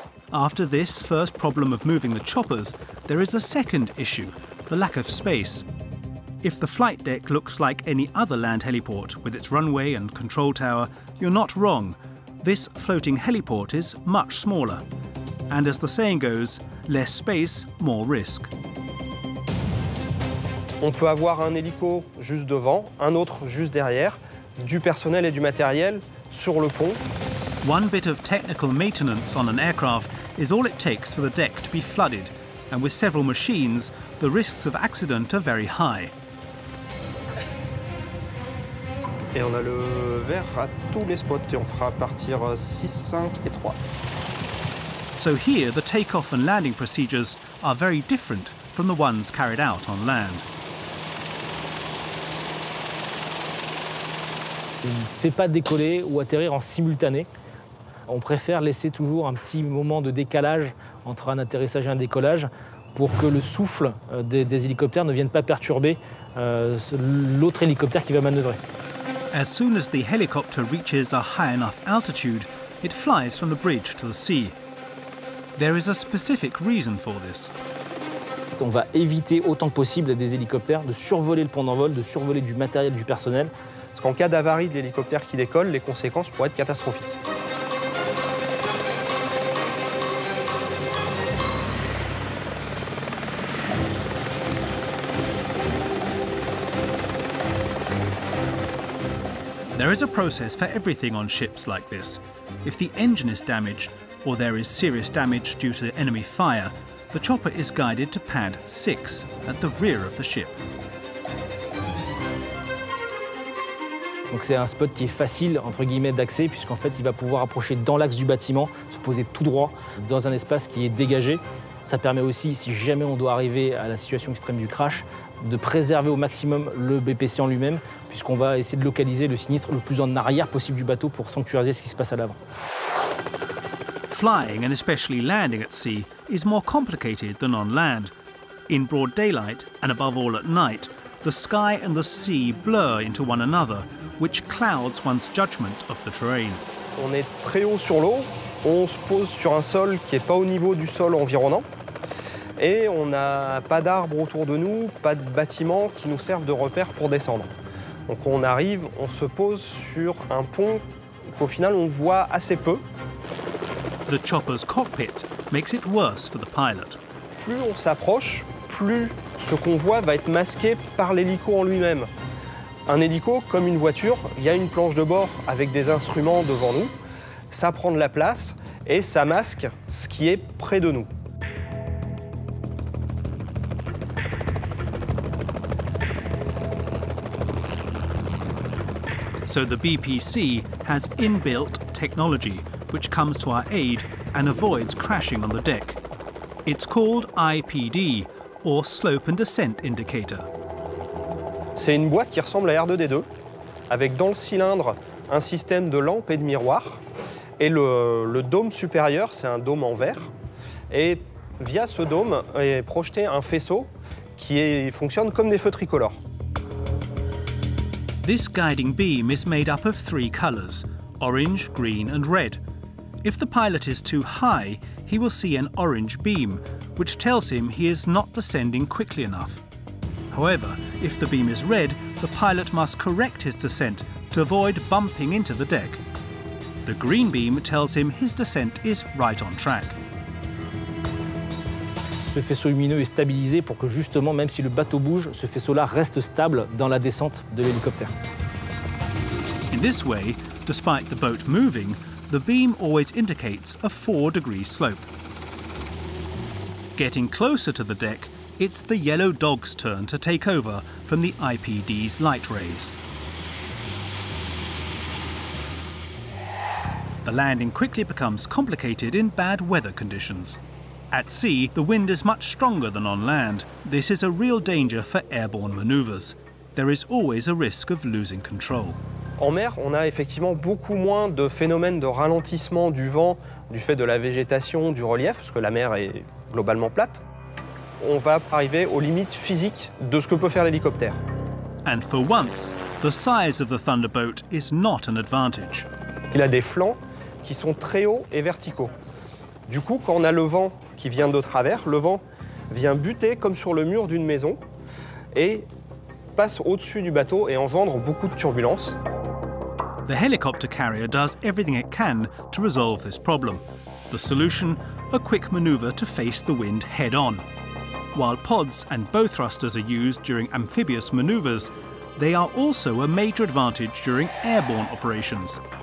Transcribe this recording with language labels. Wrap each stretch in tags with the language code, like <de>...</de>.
<en>After this first problem of moving the choppers, there is a second issue, the lack of space. If the flight deck looks like any other land heliport with its runway and control tower, you're not wrong. This floating heliport is much smaller. And as the saying goes, less space, more risk.</en> <fr>On peut avoir un hélico juste devant, un autre juste derrière, du personnel et du matériel sur le pont.</fr> <en>One bit of technical maintenance on an aircraft is all it takes for the deck to be flooded. And with several machines, the risks of accident are very high.</en> <fr>Et on a le vert à tous les spots et on fera partir 6, 5 et 3.</fr> <en>So here, the takeoff and landing procedures are very different from the ones carried out on land.</en> <fr>On ne fait pas décoller ou atterrir en simultané. On préfère laisser toujours un petit moment de décalage entre un atterrissage et un décollage pour que le souffle des hélicoptères ne vienne pas perturber l'autre hélicoptère qui va manœuvrer.</fr> <en>As soon as the helicopter reaches a high enough altitude, it flies from the bridge to the sea. There is a specific reason for this.</en> <fr>On va éviter autant que possible des hélicoptères de survoler le pont d'envol, de survoler du matériel, du personnel. Parce qu'en cas d'avarie de l'hélicoptère qui décolle, les conséquences pourraient être catastrophiques.</fr> <en>There is a process for everything on ships like this. If the engine is damaged, or there is serious damage due to enemy fire, the chopper is guided to pad 6 at the rear of the ship.</en> <fr>Donc c'est un spot qui est facile entre guillemets d'accès puisqu'en fait il va pouvoir approcher dans l'axe du bâtiment, se poser tout droit dans un espace qui est dégagé. Ça permet aussi, si jamais on doit arriver à la situation extrême du crash, de préserver au maximum le BPC en lui-même, puisqu'on va essayer de localiser le sinistre le plus en arrière possible du bateau pour sanctuariser ce qui se passe à l'avant.</fr> <en>Flying and especially landing at sea is more complicated than on land. In broad daylight and above all at night, the sky and the sea blur into one another, which clouds one's judgment of the terrain.</en> <fr>On est très haut sur l'eau, on se pose sur un sol qui n'est pas au niveau du sol environnant. Et on n'a pas d'arbres autour de nous, pas de bâtiments qui nous servent de repère pour descendre. Donc on arrive, on se pose sur un pont qu'au final on voit assez peu.</fr> <en>The chopper's cockpit makes it worse for the pilot.</en> <fr>Plus on s'approche, plus ce qu'on voit va être masqué par l'hélico en lui-même. Un hélico, comme une voiture, il y a une planche de bord avec des instruments devant nous. Ça prend de la place et ça masque ce qui est près de nous.</fr> <en>So the BPC has inbuilt technology, which comes to our aid and avoids crashing on the deck. It's called IPD, or Slope and Descent Indicator.</en> <fr>C'est une boîte qui ressemble à R2-D2, avec dans le cylindre un système de lampes et de miroirs, et le dôme supérieur, c'est un dôme en verre, et via ce dôme est projeté un faisceau qui fonctionne comme des feux tricolores.</fr> <en>This guiding beam is made up of 3 colors, orange, green, and red. If the pilot is too high, he will see an orange beam, which tells him he is not descending quickly enough. However, if the beam is red, the pilot must correct his descent to avoid bumping into the deck. The green beam tells him his descent is right on track.</en> <fr>Ce faisceau lumineux est stabilisé pour que justement, même si le bateau bouge, ce faisceau-là reste stable dans la descente de l'hélicoptère.</fr> <en>In this way, despite the boat moving, the beam always indicates a 4-degree slope. Getting closer to the deck, it's the yellow dog's turn to take over from the IPD's light rays. The landing quickly becomes complicated in bad weather conditions. At sea, the wind is much stronger than on land. This is a real danger for airborne maneuvers. There is always a risk of losing control.</en> <fr>En mer, on a effectivement beaucoup moins de phénomènes de ralentissement du vent du fait de la végétation, du relief, parce que la mer est globalement plate. On va arriver aux limites physiques de ce que peut faire l'hélicoptère.</fr> <en>And for once, the size of the Thunderboat is not an advantage.</en> <fr>Il a des flancs qui sont très hauts et verticaux. Du coup, quand on a le vent qui vient de travers, le vent vient buter comme sur le mur d'une maison et passe au-dessus du bateau et engendre beaucoup de turbulences.</fr> <en>The helicopter carrier does everything it can to resolve this problem. The solution, a quick maneuver to face the wind head on. While pods and bow thrusters are used during amphibious maneuvers, they are also a major advantage during airborne operations.</en>